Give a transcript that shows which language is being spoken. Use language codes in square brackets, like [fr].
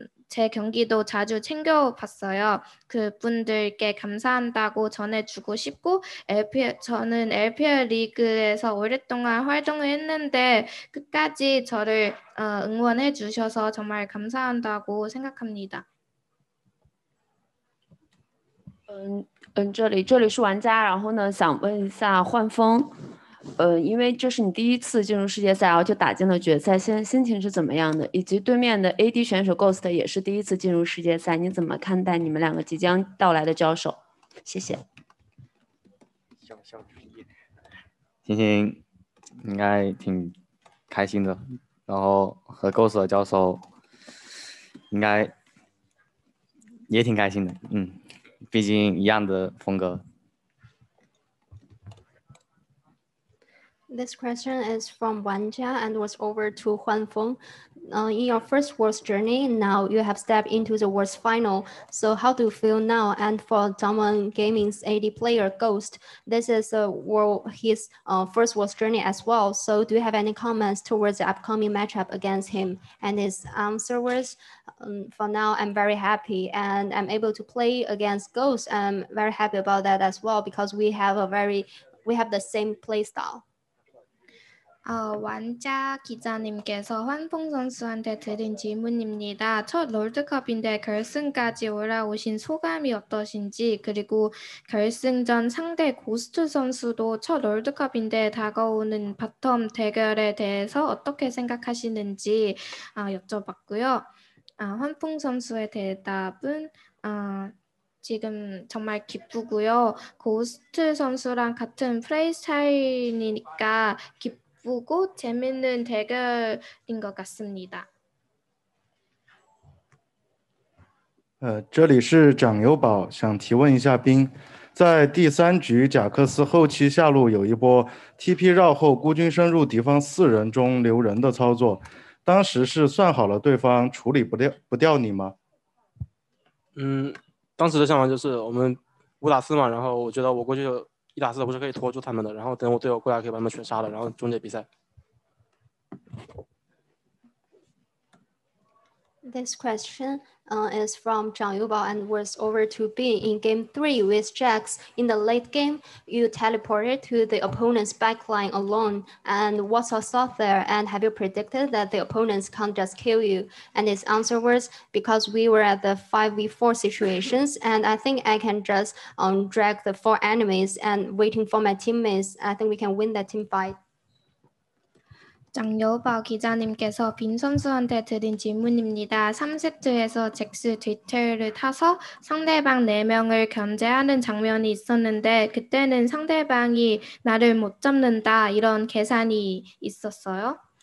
[ko] 제 경기도 자주 챙겨봤어요. 그분들께 감사한다고 전해주고 싶고 저는 LPL 리그에서 오랫동안 활동을 했는데 끝까지 저를 응원해 주셔서 정말 감사한다고 생각합니다. [zh] 这里是玩家，然后呢，想问一下幻风，因为这是你第一次进入世界赛，然后就打进了决赛，心情是怎么样的？以及对面的 AD 选手 Ghost 也是第一次进入世界赛，你怎么看待你们两个即将到来的交手？谢谢。星应该挺开心的，然后和 Ghost 的交手应该也挺开心的，毕竟一样的风格。 [en] This question is from Wanjia and was over to Huanfeng. in your first world's journey, now you have stepped into the world's final. So how do you feel now? And for Dongwon Gaming's AD player Ghost, this is a world, his first world's journey as well. So do you have any comments towards the upcoming matchup against him? And his answer was, for now, I'm very happy and I'm able to play against Ghost. I'm very happy about that as well, because we have a very, we have the same play style. [ko] 왕자 기자님께서 환풍 선수한테 드린 질문입니다. 첫 롤드컵인데 결승까지 올라오신 소감이 어떠신지, 그리고 결승전 상대 고스트 선수도 첫 롤드컵인데 다가오는 바텀 대결에 대해서 어떻게 생각하시는지 여쭤봤고요. 환풍 선수의 대답은 지금 정말 기쁘고요. 고스트 선수랑 같은 프레이스타일이니까 보고 재밌는 대결인 것 같습니다. [zh] 这里是长友宝，想提问一下冰，在第三局贾克斯后期下路有一波 TP 绕后孤军深入敌方四人中留人的操作，当时是算好了对方处理不掉你吗？当时的想法就是我们五打四嘛，然后我觉得我过去。一打四的不是可以拖住他们的，然后等我队友过来可以把他们全杀了，然后终结比赛。 [en] This question is from Zhang Youbao and was over to Bin. In game three with Jax in the late game, you teleported to the opponent's backline alone. And what's your thought there? And have you predicted that the opponents can't just kill you? And his answer was, because we were at the 5v4 situations, and I think I can just drag the four enemies and waiting for my teammates. I think we can win that team fight. [ko] 장여우바오 기자님께서 빈 선수한테 드린 질문입니다. 3세트에서 잭스 뒤틀을 타서 상대방 4명을 견제하는 장면이 있었는데 그때는 상대방이 나를 못 잡는다 이런 계산이 있었어요.